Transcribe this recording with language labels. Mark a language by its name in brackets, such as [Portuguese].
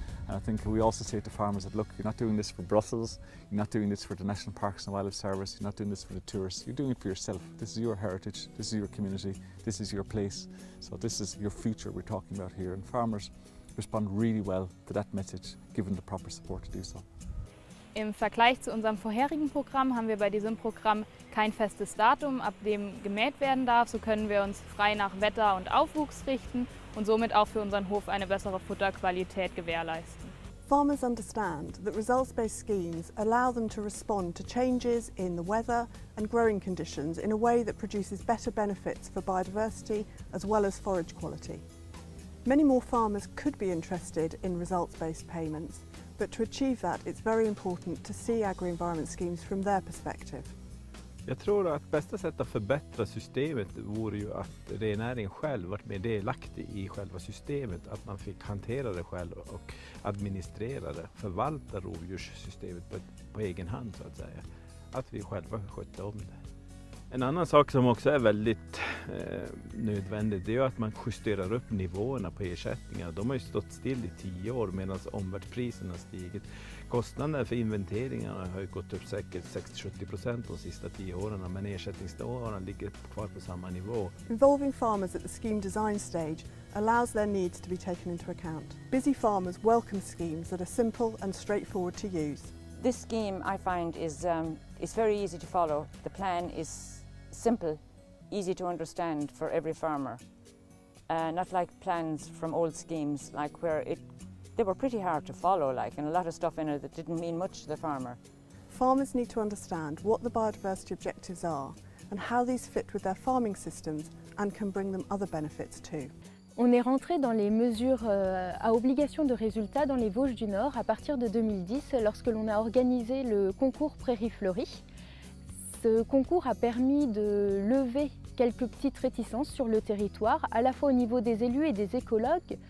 [English] And I think we also say to farmers that, look, you're not doing this for Brussels, you're not doing this for the National Parks and Wildlife Service, you're not doing this for the tourists, you're doing it for yourself. This is your heritage, this is your community, this is your place, so this is your future we're talking about here. And farmers respond really well to that message, given the proper support to do so. [German] Im Vergleich zu unserem vorherigen Programm haben wir bei diesem Programm kein festes Datum, ab dem gemäht werden darf. So können wir uns frei nach Wetter und Aufwuchs richten und somit auch für unseren Hof eine bessere Futterqualität gewährleisten. [English] Farmers understand that results-based schemes allow them to respond to changes in the weather and growing conditions in a way that produces better benefits for biodiversity as well as forage quality. Many more farmers could be interested in results-based payments, but to achieve that, it's very important to see agri-environment schemes from their perspective. [Swedish] Jag tror att bästa sättet att förbättra systemet vore ju att rennäringen själv var mer delaktig I själva systemet, att man fick hantera det själv och administrera det, förvalta rovdjurssystemet på egen hand så att säga, att vi själva skötte om det. En annan sak som också är väldigt nödvändig det är ju att man justerar upp nivåerna på ersättningar. De har ju stått still I 10 år medan omvärldspriserna har stigit. Kostnaderna för inventeringarna har ju gått upp säkert 60-70% de sista 10 åren, men ersättningsnivåerna ligger kvar på samma nivå. [English] Involving farmers at the scheme design stage allows their needs to be taken into account. Busy farmers welcome schemes that are simple and straightforward to use. This scheme I find is very easy to follow. The plan is simple, easy to understand for every farmer. Not like plans from old schemes, like where they were pretty hard to follow, like, and a lot of stuff in it that didn't mean much to the farmer. Farmers need to understand what the biodiversity objectives are and how these fit with their farming systems and can bring them other benefits too. [French] On est rentré dans les mesures à obligation de résultat dans les Vosges du Nord à partir de 2010, lorsque l'on a organisé le concours Prairie Fleurie. Ce concours a permis de lever quelques petites réticences sur le territoire, à la fois au niveau des élus et des écologues.